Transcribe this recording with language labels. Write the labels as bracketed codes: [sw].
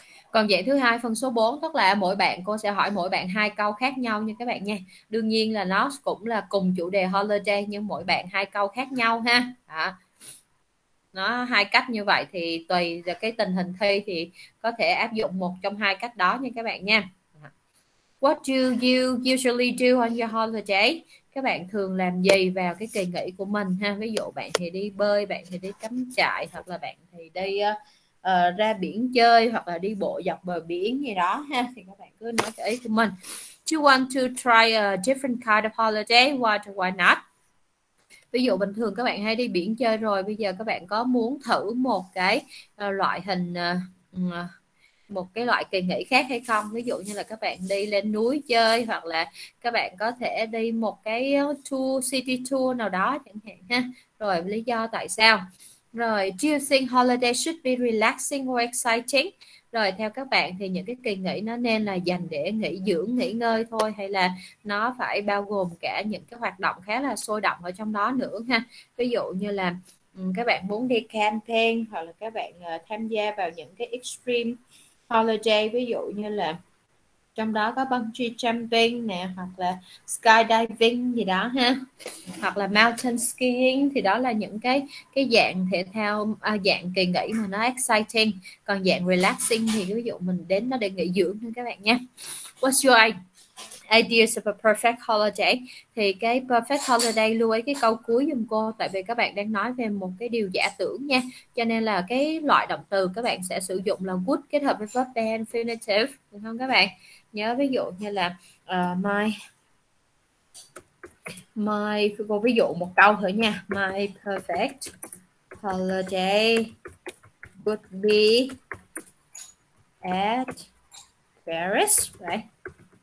[vi] Còn dạng thứ hai phần số 4 tức là mỗi bạn cô sẽ hỏi mỗi bạn hai câu khác nhau nha các bạn nha. Đương nhiên là nó cũng là cùng chủ đề holiday nhưng mỗi bạn hai câu khác nhau ha. Đó. Nó hai cách như vậy thì tùy cái tình hình thi thì có thể áp dụng một trong hai cách đó nha các bạn nha. [en] What do you usually do on your holiday? [vi] Các bạn thường làm gì vào cái kỳ nghỉ của mình ha? Ví dụ bạn thì đi bơi, bạn thì đi cắm trại hoặc là bạn thì đi ra biển chơi hoặc là đi bộ dọc bờ biển gì đó ha, thì các bạn cứ nói cái ý của mình. [en] Do you want to try a different kind of holiday? Why not? [vi] Ví dụ bình thường các bạn hay đi biển chơi rồi, bây giờ các bạn có muốn thử một cái loại hình một cái loại kỳ nghỉ khác hay không? Ví dụ như là các bạn đi lên núi chơi hoặc là các bạn có thể đi một cái tour city tour nào đó chẳng hạn ha. Rồi lý do tại sao? Rồi, [en] do you think holiday should be relaxing or exciting? [vi] Rồi, theo các bạn thì những cái kỳ nghỉ nó nên là dành để nghỉ dưỡng, nghỉ ngơi thôi hay là nó phải bao gồm cả những cái hoạt động khá là sôi động ở trong đó nữa ha? Ví dụ như là các bạn muốn đi camping hoặc là các bạn tham gia vào những cái [en] extreme holiday, [vi] ví dụ như là trong đó có bungee jumping nè hoặc là skydiving gì đó ha, hoặc là [en] mountain skiing, [vi] thì đó là những cái dạng thể thao dạng kỳ nghỉ mà nó exciting. Còn dạng relaxing thì ví dụ mình đến nó để nghỉ dưỡng thôi các bạn nha. [en] What's your ideas of a perfect holiday? [vi] Thì cái perfect holiday lưu ý cái câu cuối giùm cô, tại vì các bạn đang nói về một cái điều giả tưởng nha, cho nên là cái loại động từ các bạn sẽ sử dụng là would kết hợp với verb infinitive, infinitive đúng không các bạn? Nhớ ví dụ như là my cô ví dụ một câu thôi nha. [en] My perfect holiday would be at Paris, right?